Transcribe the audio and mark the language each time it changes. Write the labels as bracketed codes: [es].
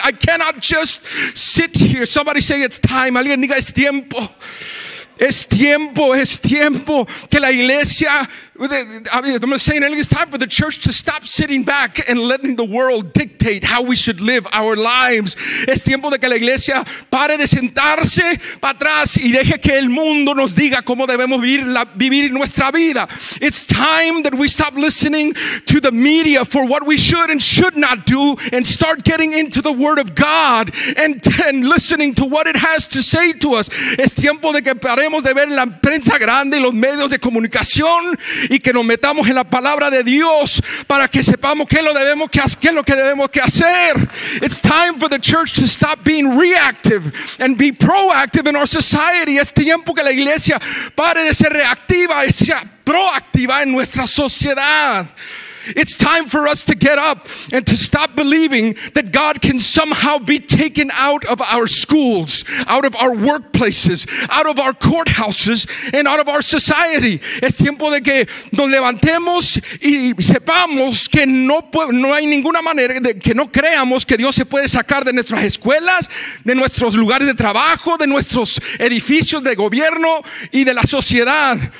[en] I cannot just sit here. Somebody say it's time. [es] Alguien diga es tiempo. Es tiempo, es tiempo. Que la iglesia, [en] I'm saying it's time for the church to stop sitting back and letting the world dictate how we should live our lives. [es] Es tiempo de que la iglesia pare de sentarse para atrás y deje que el mundo nos diga cómo debemos vivir nuestra vida. [en] It's time that we stop listening to the media for what we should and should not do and start getting into the word of God and listening to what it has to say to us. [es] Es tiempo de que paremos de ver la prensa grande y los medios de comunicación y que nos metamos en la palabra de Dios para que sepamos qué es lo que debemos hacer. [en] It's time for the church to stop being reactive and be proactive in our society. [es] Es tiempo que la iglesia pare de ser reactiva y sea proactiva en nuestra sociedad. [en] It's time for us to get up and to stop believing that God can somehow be taken out of our schools, out of our workplaces, out of our courthouses, and out of our society. [es] Es tiempo de que nos levantemos y sepamos que no hay ninguna manera de que no creamos que Dios se puede sacar de nuestras escuelas, de nuestros lugares de trabajo, de nuestros edificios de gobierno y de la sociedad.